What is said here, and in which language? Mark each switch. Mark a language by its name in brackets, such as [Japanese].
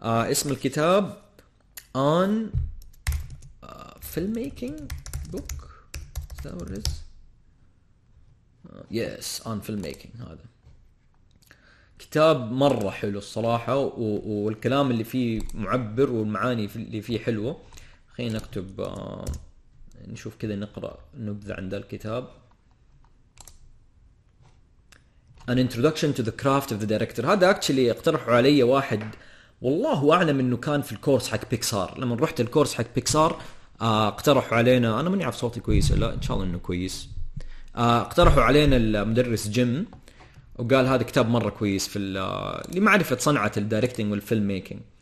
[Arabic] اسم الكتاب [English] On film making book, that's yes on film making. [Arabic] هذا كتاب مرة حلو الصراحة، والكلام اللي فيه معبر والمعاني اللي فيه حلوة. خلينا نكتب نشوف كذا، نقرأ نبذة عن ذا الكتاب. [English] An introduction to the craft of the director. [Arabic] هذا actually اقترحه علي واحد، والله أعلم أنه كان في الكورس حق بيكسار. لما رحت الكورس حق بيكسار اقترحوا علينا، أنا من يعرف صوتي كويس ولا إن شاء الله أنه كويس، اقترحوا علينا المدرس جيم وقال هذا كتاب مرة كويس في لمعرفة صنعة الديركتينج والفيلم ميكينج.